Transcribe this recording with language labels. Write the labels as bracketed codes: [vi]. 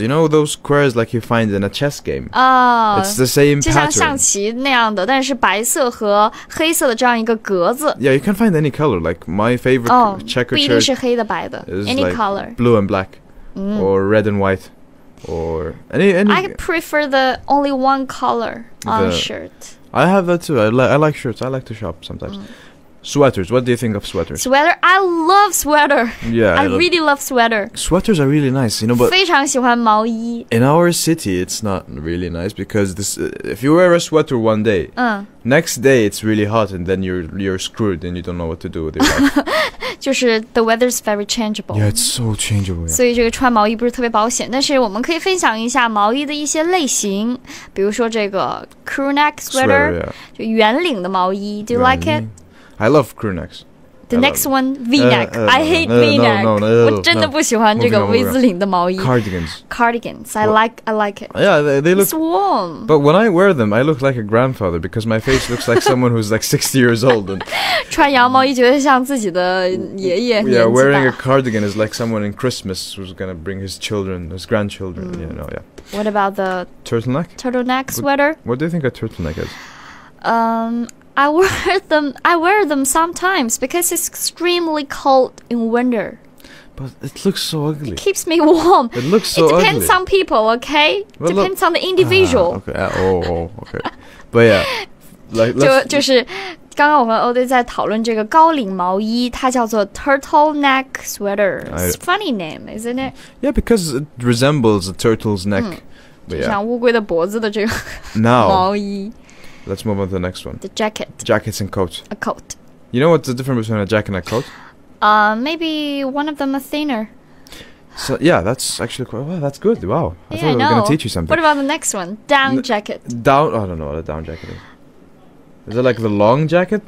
[en] You know those squares like you find in a chess game? Oh. It's the same pattern. [zh] 就像象棋那样的，但是白色和黑色的这样一个格子。 [en] Yeah, you can find any color. Like my favorite checkered shirt. [zh] 不一定是黑的白的。 [en] Any color. Blue and black. Or red and white. Or any I prefer the only one color on the shirt. I have that too. I like shirts. I like to shop sometimes. Sweaters. What do you think of sweaters? Sweater? I love sweater. Yeah. I really love sweater. Sweaters are really nice. You know, but [zh] 非常喜欢毛衣 [en] In our city, it's not really nice because this, if you wear a sweater one day, next day it's really hot and then you're screwed and you don't know what to do with your life. 就是 the weather is very changeable. Yeah, it's so changeable. Yeah. [zh] 所以这个穿毛衣不是特别保险，但是我们可以分享一下毛衣的一些类型，比如说这个 crew neck sweater, [en] sweater [zh] 就圆领的毛衣。 [en] Do you like it? I love crew necks. The next one, V-neck. I hate V-neck. No. [zh] 我真的不喜欢这个 V 字领的毛衣。 [en] Cardigans. I like it. Yeah, they look. It's warm. But when I wear them, I look like a grandfather because my face looks like someone who's like 60 years old. [zh] 穿羊毛衣觉得像自己的爷爷年纪大。 [en] Yeah, wearing a cardigan is like someone in Christmas who's gonna bring his grandchildren. You know, yeah. What about the turtleneck? Turtleneck sweater. What do you think a turtleneck is? I wear them sometimes because it's extremely cold in winter. But it looks so ugly. It keeps me warm. It looks so ugly. It depends on people, okay? Well, depends on the individual. Okay. But yeah. [zh] 就是刚刚我们 Ode 在讨论这个高领毛衣，它叫做 turtleneck sweater. [en] It's a funny name, isn't it? Yeah, because it resembles a turtle's neck. Yeah. [zh] 像乌龟的脖子的这个毛衣。 [en] Let's move on to the next one. The jacket. Jackets and coats. A coat. You know what's the difference between a jacket and a coat? Maybe one of them is thinner. So, yeah, that's actually quite... Wow, that's good. Wow. I thought we were going to teach you something. What about the next one? Down jacket. Down... I don't know what a down jacket is. Is it like the long jacket?